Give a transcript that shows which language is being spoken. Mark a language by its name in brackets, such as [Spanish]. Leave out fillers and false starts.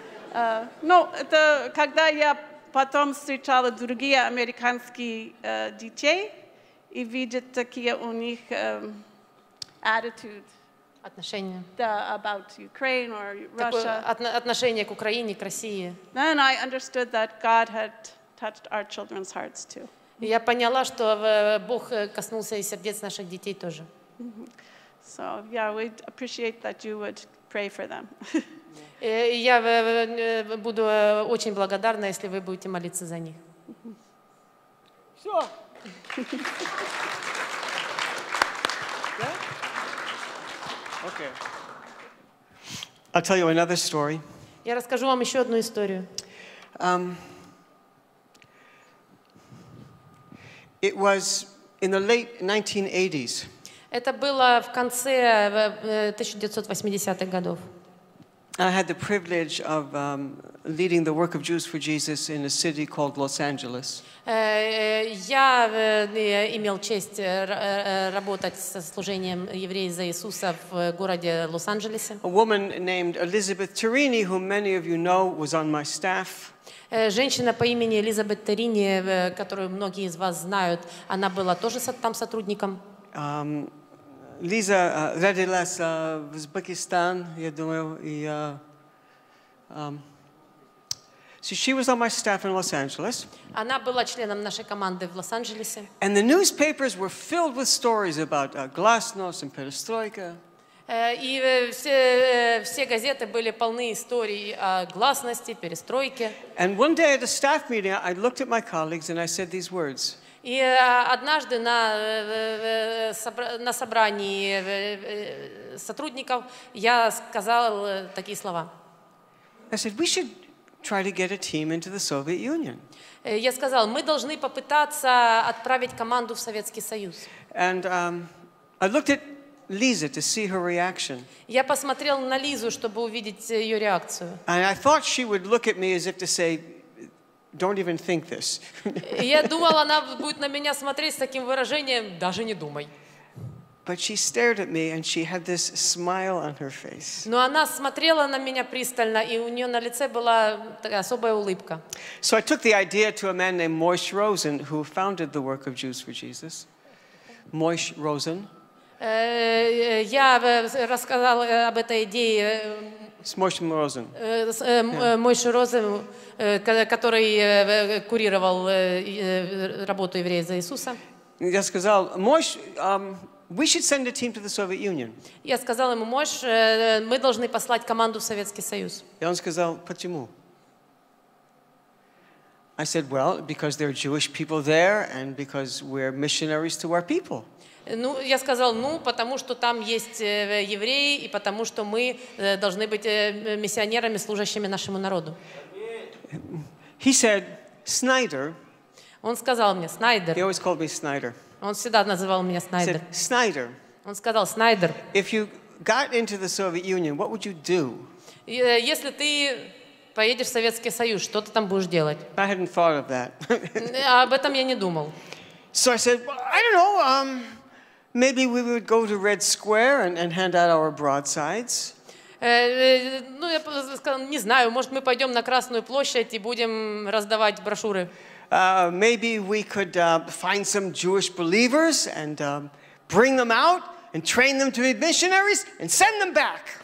[Russian] Когда я потом встречала другие американские детей и видят такие у них attitude. Отношения. [English] Да, about Ukraine or Russia. [Russian] Отношение к Украине, к России. [English] And I understood that God had touched our children's hearts too. [Russian] Я поняла, что Бог коснулся и сердец наших детей тоже. [English] So, yeah, we'd appreciate that you would pray for them. [Russian] Я буду очень благодарна, если вы будете молиться за них. Все. Да? Окей. [English] I'll tell you another story. [Russian] Я расскажу вам еще одну историю. [English] It was in the late 1980s. [Russian] Это было в конце 1980-х годов. [English] I had the privilege of leading the work of Jews for Jesus in a city called Los Angeles. [Russian] Я имел честь работать со служением евреев за Иисуса в городе Лос-Анджелесе. [English] A woman named Elizabeth Tarini, whom many of you know, was on my staff. [Russian] Женщина по имени Элизабет Тарини, которую многие из вас знают, она была тоже там сотрудником. Лиза родилась в Узбекистане, я думаю, и [English] so she was on my staff in Los Angeles. [Russian] Она была членом нашей команды в Лос-Анджелесе. [English] And the newspapers were filled with stories about glasnost and perestroika. [Russian] И все газеты были полны историй о гласности, перестройке. [English] And one day at a staff meeting, I looked at my colleagues and I said these words. [Russian] И однажды на собрании сотрудников я сказал такие слова. [English] I said, we should try to get a team into the Soviet Union. [Russian] Я сказал, мы должны попытаться отправить команду в Советский Союз. [English] And I looked at Lisa to see her reaction. [Russian] Я посмотрел на Лизу, чтобы увидеть ее реакцию. [English] And I thought she would look at me as if to say, don't even think this. [Russian] Я думал, она будет на меня смотреть с таким выражением, даже не думай. [English] But she stared at me and she had this smile on her face. [Russian] Но она смотрела на меня пристально, и у нее на лице была такая особая улыбка. [English] So I took the idea to a man named Moshe Rosen, who founded the work of Jews for Jesus. Moshe Rosen. [Russian] Я рассказал об этой идее Мойше Розен, который курировал работу евреев за Иисуса. Я сказал, [English] Мойш, we should send a team to the Soviet Union. [Russian] Я сказал ему, Мойш, мы должны послать команду в Советский Союз. И он сказал, почему? [English] I said, well, because there are Jewish people there and because we're missionaries to our people. [Russian] Ну, я сказал, ну, потому что там есть евреи, и потому что мы должны быть миссионерами, служащими нашему народу. [English] He said, Snyder. [Russian] Он сказал мне, Снайдер. [English] He always called me Snyder. [Russian] Он всегда называл меня Снайдер. [English] He said, Snyder. [Russian] Он сказал, Снайдер. [English] If you got into the Soviet Union, what would you do? [Russian] Если ты поедешь в Советский Союз, что ты там будешь делать? [English] I hadn't thought of that. [Russian] Об этом я не думал. [English] So I said, well, I don't know, maybe we would go to Red Square and hand out our broadsides. [Russian] Ну, я сказал, не знаю, может, мы пойдем на Красную площадь и будем раздавать брошюры. [English] Maybe we could find some Jewish believers and bring them out and train them to be missionaries and send them back.